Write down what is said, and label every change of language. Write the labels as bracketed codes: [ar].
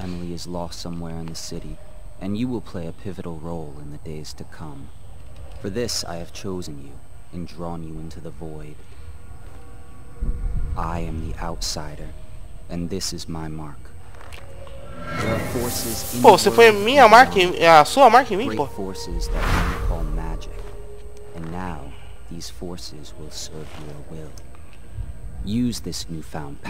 [en] Emily is lost somewhere in the city, and you will play a pivotal role in the days to come. For this, I have chosen you and drawn you into the void. I am the outsider, and this is my mark. There are forces in the world. [pt] Pô, você foi minha marca, a sua marca em mim, pô. [en] Forces that you call magic, and now these forces will serve your will. Use this newfound power.